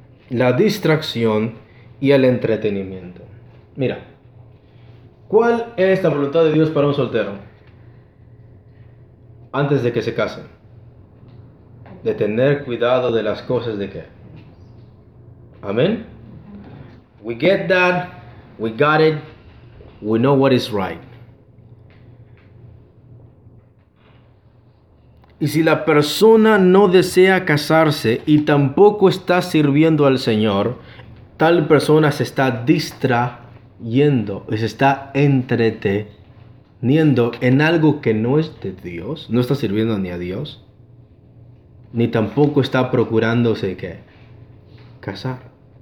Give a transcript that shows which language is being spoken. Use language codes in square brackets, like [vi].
[es] La distracción y el entretenimiento. Mira, ¿cuál es la voluntad de Dios para un soltero antes de que se case? De tener cuidado de las cosas de qué. Amén. [en] We get that, we got it, we know what is right. [es] Y si la persona no desea casarse y tampoco está sirviendo al Señor, tal persona se está distrayendo y se está entreteniendo en algo que no es de Dios, no está sirviendo ni a Dios, ni tampoco está procurándose qué casar.